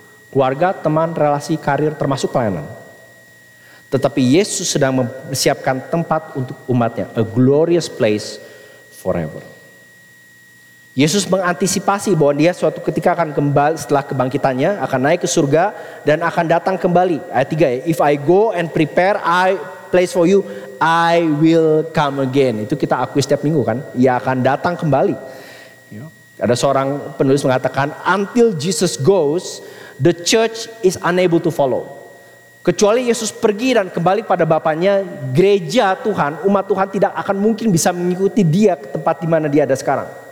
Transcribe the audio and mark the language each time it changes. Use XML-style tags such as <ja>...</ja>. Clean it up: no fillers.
<id>Keluarga, teman, relasi, karir, termasuk pelayanan. Tetapi Yesus sedang mempersiapkan tempat untuk umatnya.</id> <en>A glorious place forever.</en> <id>Yesus mengantisipasi bahwa dia suatu ketika akan kembali setelah kebangkitannya, akan naik ke surga dan akan datang kembali. Ayat 3 ya.</id> <en>If I go and prepare a place for you, I will come again.</en> <id>Itu kita akui setiap minggu kan. Ia akan datang kembali. Ada seorang penulis mengatakan,</id> <en>until Jesus goes, the church is unable to follow.</en> <id>Kecuali Yesus pergi dan kembali pada Bapanya, gereja Tuhan, umat Tuhan tidak akan mungkin bisa mengikuti dia ke tempat di mana dia ada sekarang.</id>